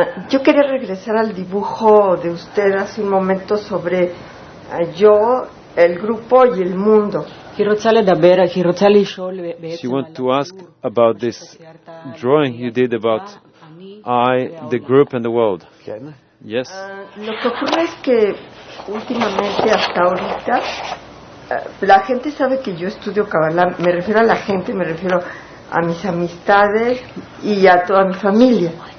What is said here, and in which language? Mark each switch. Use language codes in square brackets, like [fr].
[es] Yo quería regresar al dibujo de usted hace un momento sobre yo, el grupo y el mundo. [en] She wanted to ask about this drawing you did about I, the group, and the world. Yes. [es] Lo que ocurre es que últimamente hasta ahorita la gente sabe que yo estudio Kabbalah, me refiero a la gente, me refiero a mis amistades y a toda mi familia.